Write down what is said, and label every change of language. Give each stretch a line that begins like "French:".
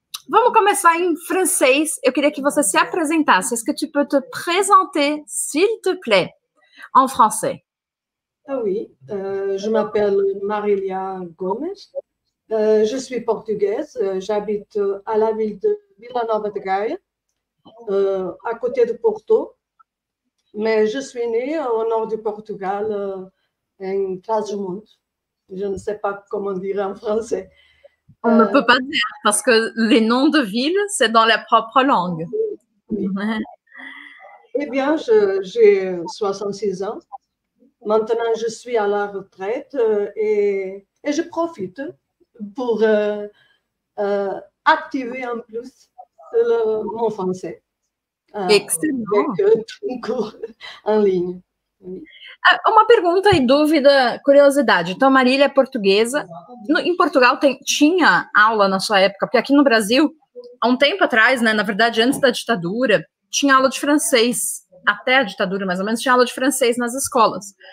Portuguese: Vamos começar em francês. Eu queria que você se apresentasse.
French: Est-ce que tu peux te présenter, s'il te plaît, en français? Ah oui, je m'appelle Marilia Gomes. Je suis portugaise. J'habite à la ville de Vila Nova de Gaia, à côté de Porto. Mais je suis née au nord du Portugal, en Trás-os-Montes. Je ne sais pas comment dire en français. On ne peut pas dire parce que les noms de villes, c'est dans la propre langue. Eh bien, j'ai 66 ans. Maintenant, je suis à la retraite et je profite pour activer en plus mon français Excellent. avec un cours en ligne. Oui.
Portuguese: Uma pergunta e dúvida, curiosidade. Então, Marília é portuguesa. Em Portugal tinha aula na sua época, porque aqui no Brasil, há um tempo atrás, né, na verdade, antes da ditadura, tinha aula de francês, até a ditadura, mais ou menos, tinha aula de francês nas escolas.